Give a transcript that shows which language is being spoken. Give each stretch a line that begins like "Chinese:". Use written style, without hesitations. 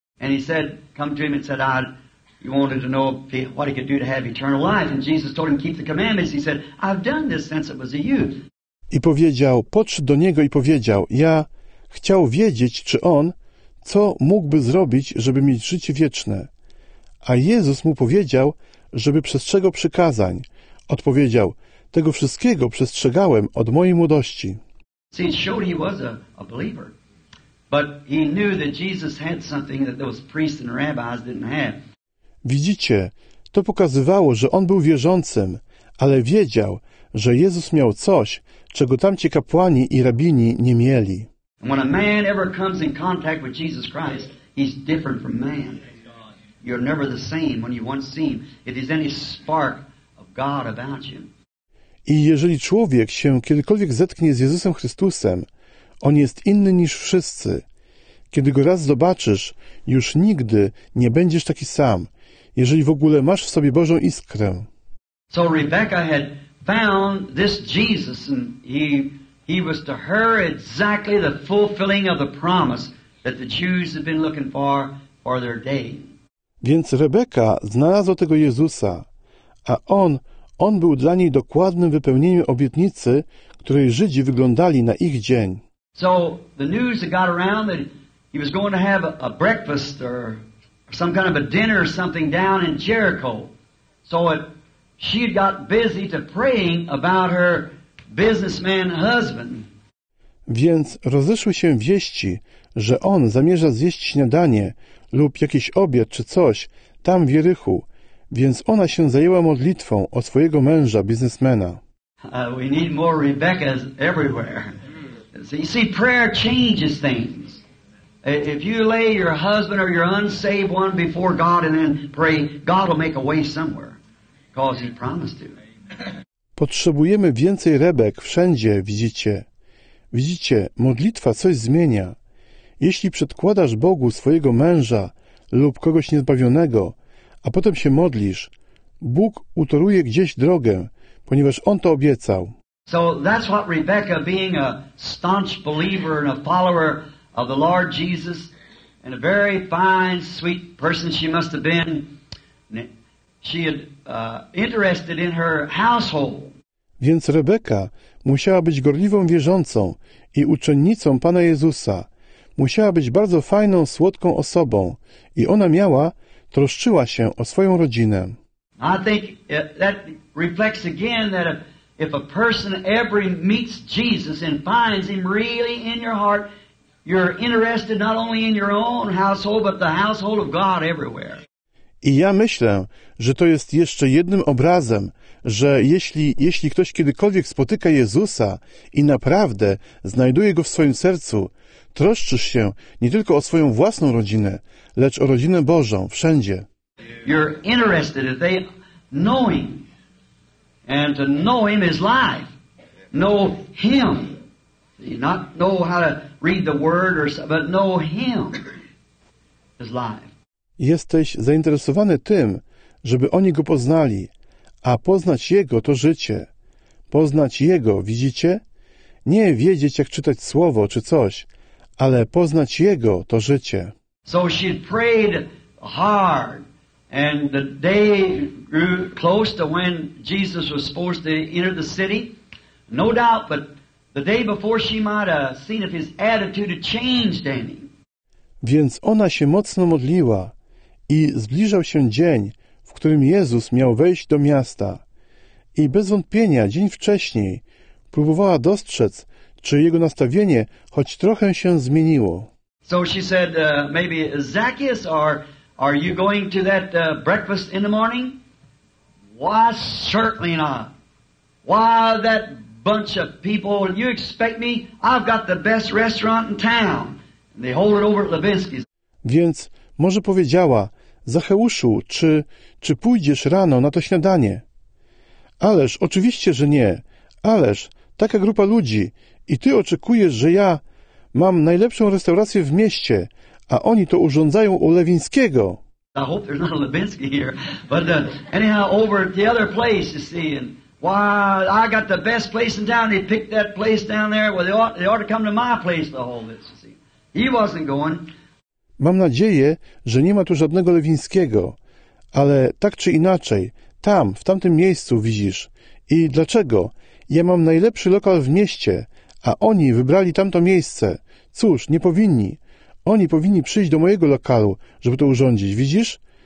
English: And he said, come to him and said, you wanted to know what he could do to have eternal life. And Jesus told him, keep the commandments. He said, I've done this since I was a youth.
Polish: I powiedział, podszedł do niego i powiedział, ja chciał wiedzieć, czy on, co mógłby zrobić, żeby mieć życie wieczne. A Jezus mu powiedział, żeby przestrzegał przykazań. Odpowiedział, tego wszystkiego przestrzegałem od mojej młodości.
English: See, it showed he was a believer. But he knew that Jesus had something that those priests and rabbis didn't have.
Polish: Widzicie, to pokazywało, że on był wierzącym, ale wiedział, że Jezus miał coś, czego tamci kapłani i rabini nie mieli.
English: When a man ever comes in contact with Jesus Christ, he's different from man. You're never the same when you once seen. If there's any spark of God about you.
Polish: I jeżeli człowiek się kiedykolwiek zetknie z Jezusem Chrystusem, on jest inny niż wszyscy. Kiedy go raz zobaczysz, już nigdy nie będziesz taki sam, jeżeli w ogóle masz w sobie Bożą iskrę.
English: So Rebecca had found this Jesus and he was to her exactly the fulfilling of the promise that the Jews had been looking for their day.
Polish: Więc Rebecca znalazła tego Jezusa, a on był dla niej dokładnym wypełnieniem obietnicy, której Żydzi wyglądali na ich dzień.
English: So the news that got around that he was going to have a breakfast or some kind of a dinner or something down in Jericho. So she had got busy to praying about her businessman husband.
Polish: Więc rozeszły się wieści, że on zamierza zjeść śniadanie lub jakiś obiad czy coś tam w Jerychu. Więc ona się zajęła modlitwą o swojego męża, biznesmena.
English: We need more Rebeccas everywhere. You see, prayer changes things. If you lay your husband or your unsaved one before God and then pray, God will make a way somewhere, because he promised to.
Polish: Potrzebujemy więcej rebek wszędzie, widzicie. Widzicie, modlitwa coś zmienia. Jeśli przedkładasz Bogu swojego męża lub kogoś niezbawionego, a potem się modlisz, Bóg utoruje gdzieś drogę, ponieważ On to obiecał.
English: So that's what Rebecca, being a staunch believer and a follower of the Lord Jesus, and a very fine, sweet person she must have been, she had interested in her household.
Polish: Więc Rebeka musiała być gorliwą wierzącą i uczennicą Pana Jezusa. Musiała być bardzo fajną, słodką osobą i ona miała, troszczyła się o swoją rodzinę.
English: I think that reflects again that if a person ever meets Jesus and finds him really in your heart, you're interested not only in your own household, but the household of God everywhere.
Polish: I ja myślę, że to jest jeszcze jednym obrazem, że jeśli ktoś kiedykolwiek spotyka Jezusa i naprawdę znajduje Go w swoim sercu, troszczysz się nie tylko o swoją własną rodzinę, lecz o rodzinę Bożą, wszędzie.
English: You're interested if they know Him. And to know Him is life. Know Him. Not know how to read the word, or so, but know Him is life.
Polish: Jesteś zainteresowany tym, żeby oni Go poznali, a poznać Jego to życie. Poznać Jego, widzicie? Nie wiedzieć, jak czytać słowo czy coś, ale poznać Jego to życie.
English: So she prayed hard, and the day grew close to when Jesus was supposed to enter the city. No doubt, but the day before she might have seen if his attitude had changed any.
Polish: Więc ona się mocno modliła. I zbliżał się dzień, w którym Jezus miał wejść do miasta. I bez wątpienia dzień wcześniej próbowała dostrzec, czy jego nastawienie choć trochę się zmieniło.
English: So she said, maybe Zacchaeus, are you going to that breakfast in the morning? Why, certainly not. Why, that bunch of people, you expect me? I've got the best restaurant in town. And they hold it over at Levinsky's.
Polish: Więc może powiedziała, Zacheuszu, czy pójdziesz rano na to śniadanie? Ależ, oczywiście, że nie. Ależ, taka grupa ludzi i ty oczekujesz, że ja mam najlepszą restaurację w mieście, a oni to urządzają u Lewińskiego.
English: I hope there's not a Lewinsky here, but anyhow, over at the other place, you see, and why, I got the best place in town, they picked that place down there, well, they ought to come to my place to hold this, you see. He wasn't going.
Polish: Mam nadzieję, że nie ma tu żadnego Lewińskiego, ale tak czy inaczej, tam, w tamtym miejscu widzisz. I dlaczego? Ja mam najlepszy lokal w mieście, a oni wybrali tamto miejsce. Cóż, nie powinni. Oni powinni przyjść do mojego lokalu, żeby to urządzić, widzisz?